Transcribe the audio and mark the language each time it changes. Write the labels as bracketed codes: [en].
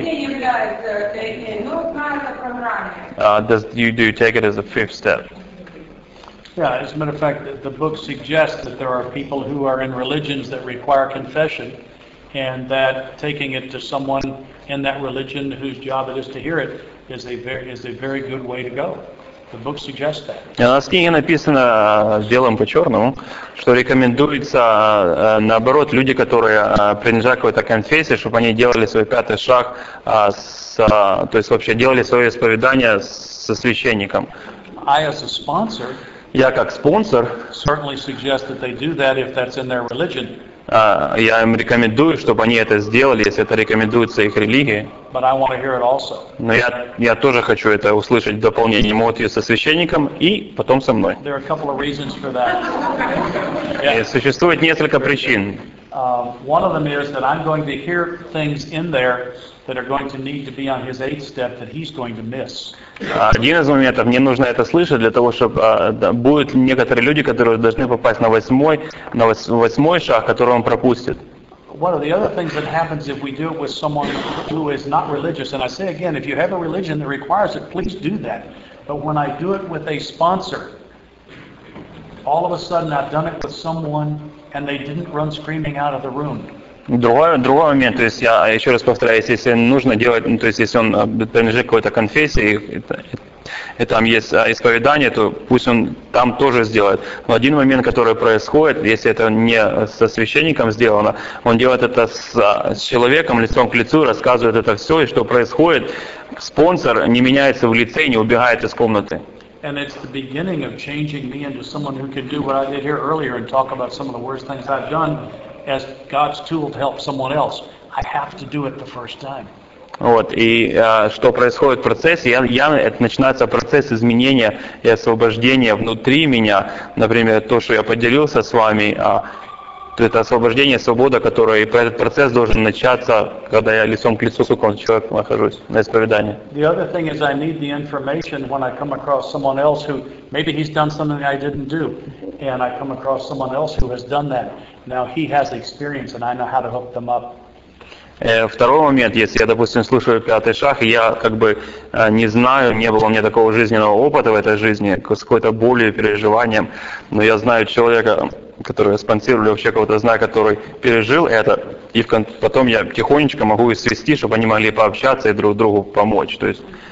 [en] Do you take it as a fifth step? Yeah, as a matter of fact, the book suggests that there are people who are in religions that require confession, and that taking it to someone in that religion whose job it is to hear it is a very good way to go. The book suggests that. [ru] У нас в книге написано белым по черному, что рекомендуется наоборот люди, которые принадлежат какой-то конфессии, чтобы они делали свой пятый шаг, то есть вообще делали свое исповедание со священником. [en] I as a sponsor. [ru] Я как спонсор. [en] Certainly suggest that they do that if that's in their religion. [ru] Я им рекомендую, чтобы они это сделали, если это рекомендуется их религии. [en] But I want to hear it also. [ru] Но я тоже хочу это услышать в дополнение. Могут ее со священником и потом со мной. [en] There are a couple of reasons for that. Yeah. [ru] Существует несколько причин. [en] One of them is that I'm going to hear things in there that are going to need to be on his eighth step that he's going to miss. [ru] Один из моментов, мне нужно это слышать для того, чтобы будут некоторые люди, которые должны попасть на восьмой шаг, который он пропустит. [en] One of the other things that happens if we do it with someone who is not religious, and I say again, if you have a religion that requires it, please do that. But when I do it with a sponsor, all of a sudden I've done it with someone and they didn't run screaming out of the room. [ru] Другой момент, то есть я еще раз повторяюсь, если нужно делать, то есть если он принадлежит какой-то конфессии, и там есть исповедание, то пусть он там тоже сделает. Но один момент, который происходит, если это не со священником сделано, он делает это с человеком лицом к лицу, рассказывает это все, и что происходит, спонсор не меняется в лице и не убегает из комнаты. [en] And it's the beginning of changing me into someone who can do what I did here earlier and talk about some of the worst things I've done as God's tool to help someone else. I have to do it the first time. [ru] Вот, и что происходит в процессе, это начинается процесс изменения и освобождения внутри меня. Например, то, что я поделился с вами, это освобождение, свобода, которая, и этот процесс должен начаться, когда я лицом к лицу с каким-то человеком нахожусь на исповедании. [en] The other thing is I need the information when I come across someone else who, maybe he's done something I didn't do, and I come across someone else who has done that. Now he has experience and I know how to hook them up. [ru] Второй момент, если я, допустим, слушаю пятый шаг, и я как бы не знаю, не было у меня такого жизненного опыта в этой жизни, с какой-то болью, переживанием, но я знаю человека, который я спонсирую, или вообще кого-то знаю, который пережил это, и потом я тихонечко могу их свести, чтобы они могли пообщаться и друг другу помочь. То есть